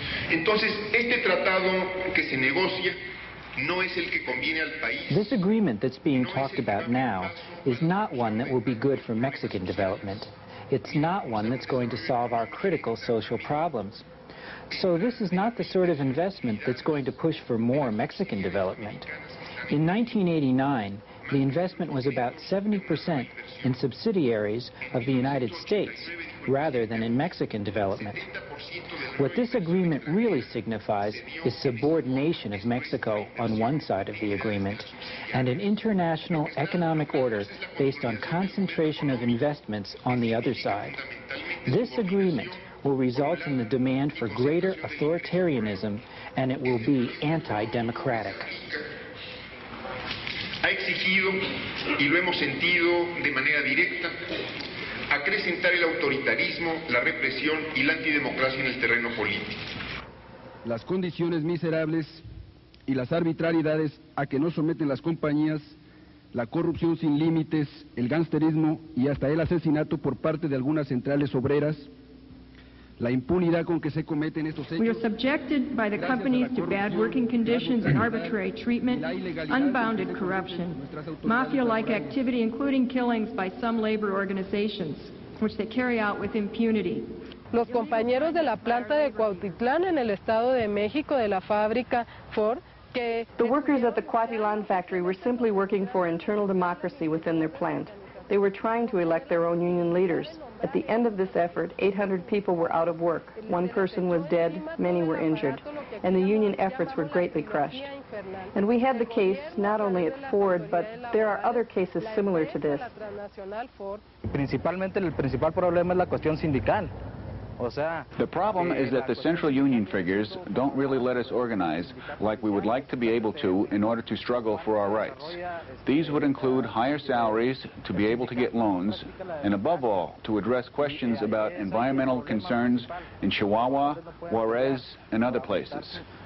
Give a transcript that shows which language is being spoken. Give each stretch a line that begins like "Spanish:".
Spanish: Entonces, este tratado que se negocia no es el que conviene al país.
English: This agreement that's being talked about now is not one that will be good for Mexican development. It's not one that's going to solve our critical social problems. So this is not the sort of investment that's going to push for more Mexican development. In 1989, the investment was about 70% in subsidiaries of the United States rather than in Mexican development. What this agreement really signifies is subordination of Mexico on one side of the agreement and an international economic order based on concentration of investments on the other side. This agreement will result in the demand for greater authoritarianism, and it will be anti-democratic.
Spanish: Ha exigido, y lo hemos sentido de manera directa, acrecentar el autoritarismo, la represión y la antidemocracia en el terreno político. Las condiciones miserables y las arbitrariedades a que nos someten las compañías, la corrupción sin límites, el gangsterismo y hasta el asesinato por parte de algunas centrales obreras, la impunidad con que se cometen estos hechos.
English: We are subjected by the companies to bad working conditions and arbitrary treatment, unbounded corruption, mafia-like activity, including killings by some labor organizations, which they carry out with impunity.
Spanish: Los compañeros de la planta de Cuautitlán en el Estado de México de la fábrica Ford.
English: The workers at the Cuautitlán factory were simply working for internal democracy within their plant. They were trying to elect their own union leaders. At the end of this effort, 800 people were out of work. One person was dead, many were injured, and the union efforts were greatly crushed. And we had the case not only at Ford, but there are other cases similar to this.
Spanish: Principalmente, el principal problema es la cuestión sindical.
English: The problem is that the central union figures don't really let us organize like we would like to be able to in order to struggle for our rights. These would include higher salaries, to be able to get loans, and above all, to address questions about environmental concerns in Chihuahua, Juarez, and other places.